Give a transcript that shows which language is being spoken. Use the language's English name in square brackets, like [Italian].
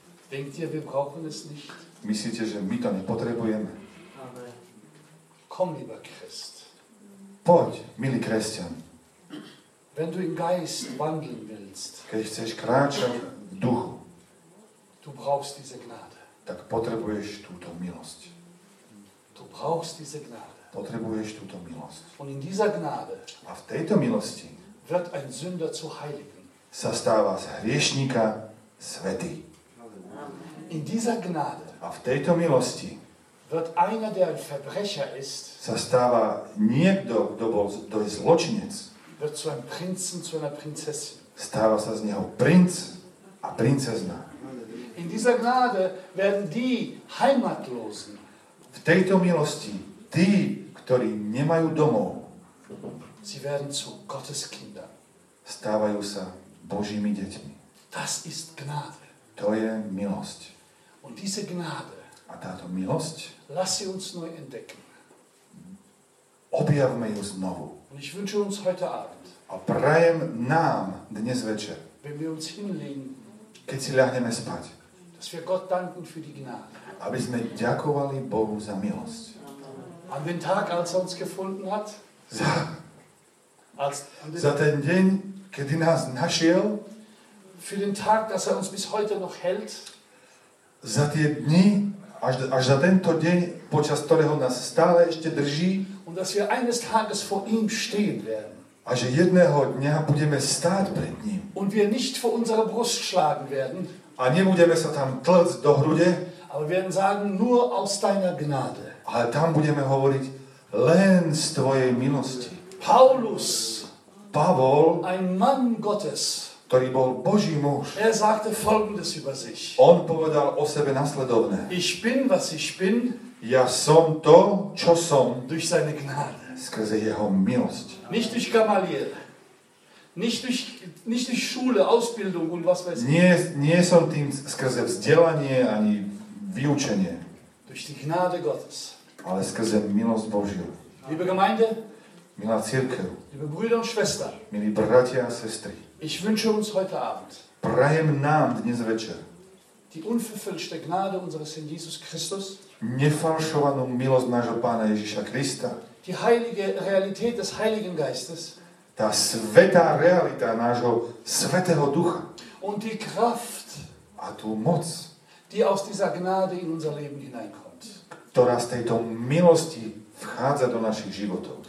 [German] Denkt ihr, wir brauchen es nicht? [Slovak] Myslíte, že my to nepotrebujeme? [German] Komm, lieber Christ. [Slovak] Poď, milý kresťan. [German] Wenn du im Geist wandeln willst. [Slovak] Keď chceš kráčať v duchu. [German] Du brauchst diese Gnade. [Slovak] Tak potrebuješ túto milosť. [German] Du brauchst diese Gnade. [Slovak] Potrebuješ túto milosť. [German] Und in dieser Gnade. [Slovak] A v tejto milosti. [German] Wird ein Sünder zu Heiligen. [Slovak] Sa stáva z hriešníka svätý. [German] In dieser Gnade. [Slovak] A v tejto milosti. [German] Wird einer, der ein Verbrecher ist, [Slovak] sa stáva niekto, kto je zločinec, [German] wird zu einem Prinzen, zu einer Prinzessin. [Slovak] Stáva sa z neho princ a princezna. [German] In dieser Gnade werden die Heimatlosen. [Slovak] V tejto milosti tí, ktorí nemajú domov, [German] sie werden zu Gottes Kindern. [Slovak] Stávajú sa Božími deťmi. [German] Das ist Gnade. [Slovak] To je milosť. [German] Und diese Gnade. [Slovak] A táto milosť. [German] Lass sie uns neu entdecken. [Slovak] Objavme ju znovu. [German] Und ich wünsche uns heute Abend. [Slovak] A prajem nám dnes večer. [German] Wenn wir uns hinlegen. [Slovak] Keď si ľahneme spať. [German] Dass wir Gott danken für die Gnade. [Slovak] Aby sme ďakovali Bohu za milosť. [German] An den Tag, als er uns gefunden hat. [Slovak] Za ten deň, kedy nás našiel. [German] Für den Tag, dass er uns bis heute noch hält. [Slovak] Za tie dni. Až za tento deň, počas ktorého nás stále ešte drží. [German] Und dass wir eines Tages vor ihm stehen werden. [Slovak] A že jedného dňa budeme stáť pred ním. [German] Und wir nicht vor unsere Brust schlagen werden. [Slovak] A nebudeme sa tam tlcť do hrude. [German] ale werden sagen nur aus deiner Gnade. [Slovak] Ale tam budeme hovoriť len z tvojej milosti. [German] Paulus, [Slovak] Pavol, [German] ein Mann Gottes, [Slovak] ktorý bol Boží muž. [German] Er sagte folgendes über sich. [Slovak] On povedal o sebe nasledovné. [German] Ich bin, was ich bin, [Slovak] ja som to, čo som, [German] durch seine Gnade. [Slovak] Skrze jeho milosť. [German] Nicht durch Gamaliel. Nicht durch Schule, Ausbildung und was weiß ich. [Slovak] Nie som tým skrze vzdelanie ani vyučenie. [German] Durch die Gnade Gottes. [Slovak] Ale skrze milosť Božiu. [German] Liebe Gemeinde. [Slovak] Milá cirkev. [German] Liebe Brüder und Schwestern. [Slovak] Milí bratia a sestry. [German] Ich wünsche uns heute Abend. [Slovak] Prajem nám dnes večer. [German] Die unverfälschte Gnade unseres Herrn Jesus Christus. [Slovak] Nefalšovanú milosť nášho Pána Ježiša Krista. [German] Die heilige Realität des Heiligen Geistes. [Slovak] Tá svätá realita nášho svätého Ducha. [German] Und die Kraft. [Slovak] A tú moc. [German] Die aus dieser Gnade in unser Leben hineinkommt. [Slovak] Ktorá z tejto milosti vchádza do našich životov.